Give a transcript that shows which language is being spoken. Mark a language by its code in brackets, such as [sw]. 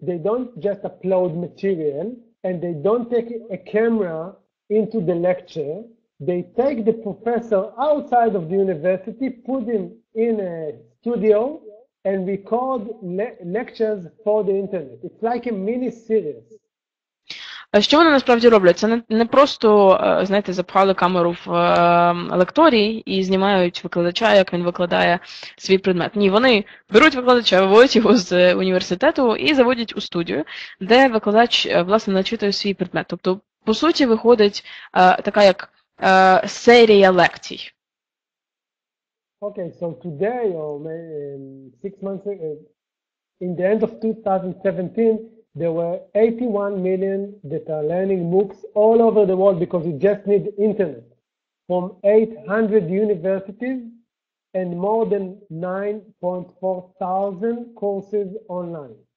[en] They don't just upload material and they don't take a camera into the lecture. They take the professor outside of the university, put him in a studio and record lectures for the internet. It's like a mini series. [uk] Що вони насправді роблять? Це не просто, знаєте, запхали камеру в лекторії і знімають викладача, як він викладає свій предмет. Ні, вони беруть викладача, виводять його з університету і заводять у студію, де викладач, власне, начитує свій предмет. Тобто, по суті, виходить така як серія лекцій. [en] Okay, so today, or six months ago, in the end of 2017, there were 81 million that are learning MOOCs all over the world because you just need internet from 800 universities and more than 9,400 courses online.